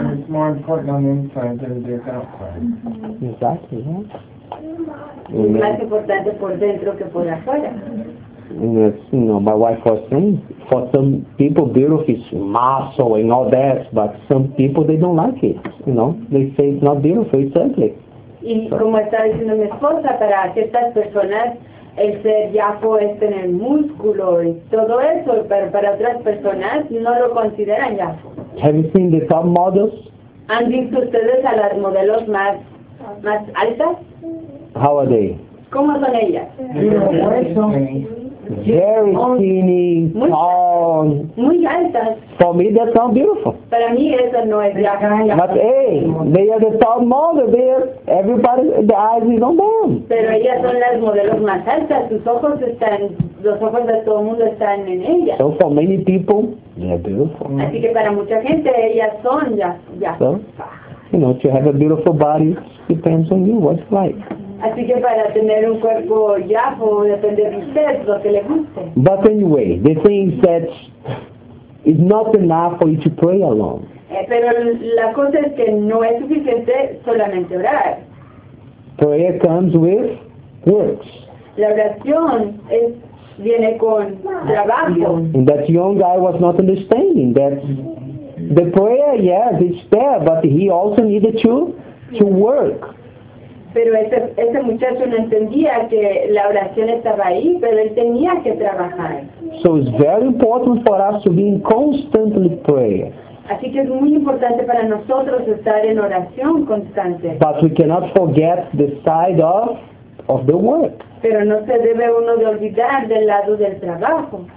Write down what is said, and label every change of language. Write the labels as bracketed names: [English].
[English] And it's more important on the inside than it is outside. Mm-hmm. Exactly, yeah. [Spanish] Mm-hmm. Más importante por dentro que por afuera. [English] Yes, you know, my wife was saying, for some people, beautiful is muscle and all that, but some people, they don't like it, you know. They say it's not beautiful, it's ugly. [Spanish] Y como está diciendo mi esposa, para ciertas personas, el ser yafo es tener músculo y todo eso, pero para otras personas no lo consideran yafo. [English] Have you seen the top models? [Spanish] ¿Han visto ustedes a las modelos más altas? [English] How are they? [Spanish] ¿Cómo son ellas? [English] Very skinny, tall. [Spanish] Muy altas. [English] For me, that's not beautiful. [Spanish] Para mí eso no es yafo. [English] But hey, they are the top models. They are, everybody, the eyes is on them. [Spanish] Pero ellas son las modelos más altas. Sus ojos están, los ojos de todo el mundo están en ellas. [English] So for many people, they are beautiful. [Spanish] Así que para mucha gente, ellas son yafo. [English] So, you know, to have a beautiful body depends on you, what's like. [Spanish] Así que para tener un cuerpo yafo depende de usted lo que le guste. [English] But anyway, the thing is that it's not enough for you to pray alone. [Spanish] Pero la cosa es que no es suficiente solamente orar. [English] Prayer comes with works. [Spanish] La oración es, viene con trabajo. [English] And that young guy was not understanding that the prayer, yes, it's there, but he also needed to work. [Spanish] Pero ese muchacho no entendía que la oración estaba ahí, pero él tenía que trabajar. [English] So it's very important for us to be in constantly prayer. [Spanish] Así que es muy importante para nosotros estar en oración constante. [English] But we cannot forget the side of the work. [Spanish] Pero no se debe uno de olvidar del lado del trabajo.